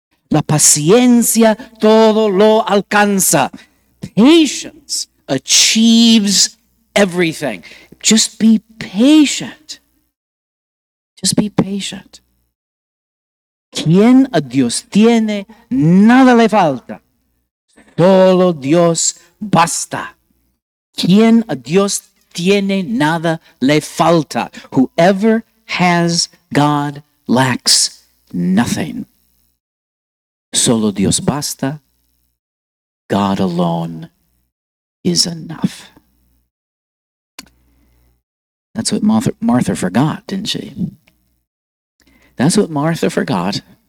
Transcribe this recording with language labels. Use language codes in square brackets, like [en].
[es] La paciencia todo lo alcanza. [en] Patience achieves everything. Just be patient. Just be patient. [es] Quien a Dios tiene, nada le falta. solo Dios basta. Quien a Dios tiene nada le falta. [en] Whoever has God lacks nothing. [es] Solo Dios basta. [en] God alone is enough. That's what Martha forgot, didn't she? That's what Martha forgot.